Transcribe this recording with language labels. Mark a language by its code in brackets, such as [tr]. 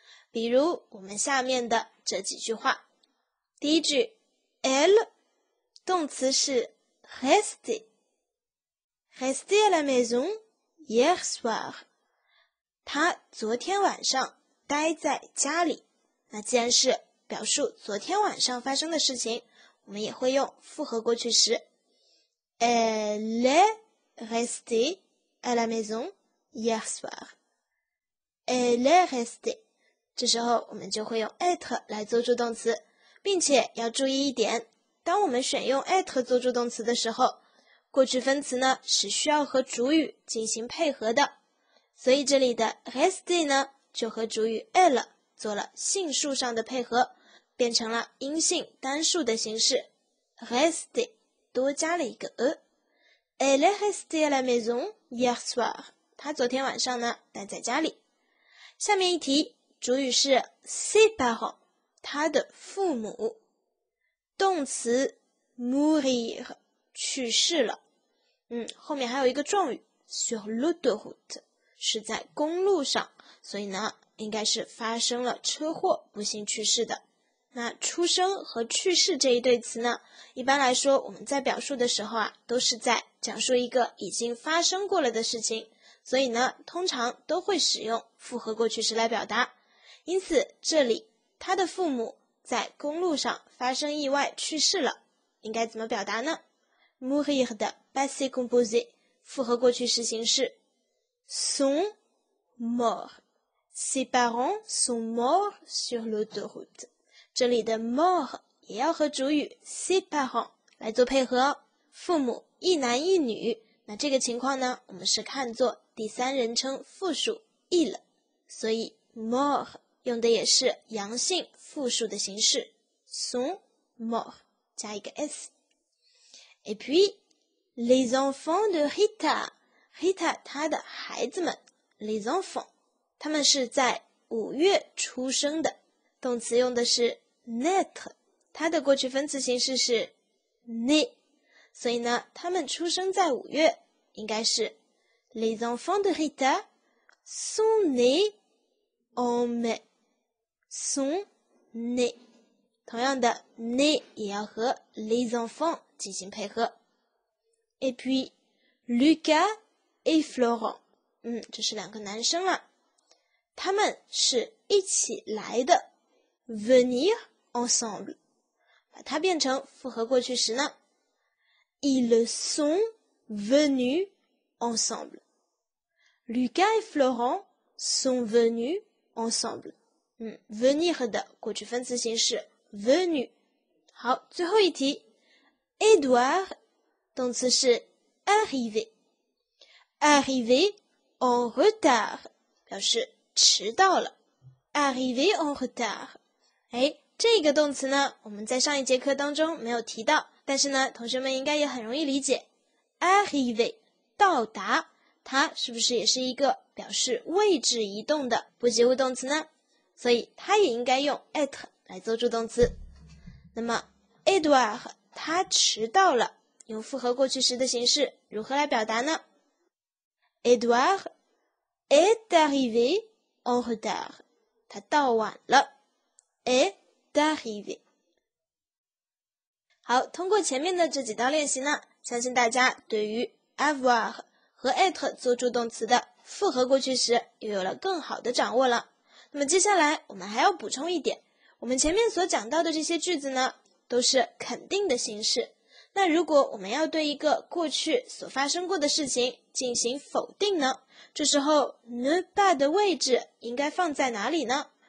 [zh] 比如我们下面的这几句话。第一句， elle， 动词是 [fr] rester à la maison hier soir， [zh] 她昨天晚上待在家里。那既然是表述昨天晚上发生的事情，我们也会用复合过去时。 [fr] Elle est restée à la maison hier soir. Elle est restée. [zh] 这时候我们就会用 être 来做助动词，并且要注意一点，当我们选用 être 做助动词的时候，过去分词呢是需要和主语进行配合的，所以这里的 restée 呢就和主语 elle 做了性数上的配合，变成了阴性单数的形式 restée 多加了一个 e。 [fr] Elle est restée à la maison hier soir， [zh] 她昨天晚上呢待在家里。下面一题，主语是 ses parents， 她的父母，动词 mourir， 去世了。后面还有一个状语 [fr] sur l'autoroute， [zh] 是在公路上，所以呢应该是发生了车祸不幸去世的。那出生和去世这一对词呢，一般来说我们在表述的时候啊，都是在讲述一个已经发生过了的事情，所以呢通常都会使用复合过去时来表达。因此这里他的父母在公路上发生意外去世了，应该怎么表达呢？ [fr] mourir 的 passé composé [zh] 复合过去时形式 [fr] sont morts， ses parents sont morts sur l'autoroute。 [zh] 这里的 mort 也要和主语 [fr] ses parents [zh] 来做配合，父母一男一女，那这个情况呢我们是看作第三人称复数 il， 所以 mort 用的也是阳性复数的形式 son mort 加一个 s。 [fr] Et puis les enfants de Rita [zh] 他的孩子们， [fr] les enfants 他们是在五月出生的，动词用的是naître， 它的过去分词形式是 né， 所以呢他们出生在五月应该是 les enfants de Rita sont nés en mai， [zh] sont nés。同样的 né 也要和 [fr] les enfants [zh] 进行配合。 [fr] Et puis Lucas et Florent， [zh] 这是两个男生了，他们是一起来的， [fr] venir ensemble， [zh] 把它变成复合过去时呢， [fr] ils sont venus ensemble， Lucas et Florent sont venus ensemble。 [zh] venir 的过去分词形式 venu。好，最后一题， Edouard 动词是 [fr] arriver en retard， [zh] 表示迟到了， arriver en retard。这个动词呢我们在上一节课当中没有提到，但是呢同学们应该也很容易理解， arrive 到达，它是不是也是一个表示位置移动的不及物动词呢？所以它也应该用 at 来做助动词。那么 Edouard 他迟到了用复合过去时的形式如何来表达呢？ [fr] Edouard est arrivé en retard， [zh] 他到晚了， [fr] est d'arriver。 [zh] 好，通过前面的这几道练习呢，相信大家对于 avoir 和 être 做助动词的复合过去时又有了更好的掌握了。那么接下来我们还要补充一点，我们前面所讲到的这些句子呢都是肯定的形式，那如果我们要对一个过去所发生过的事情进行否定呢，这时候 ne pas 的位置应该放在哪里呢？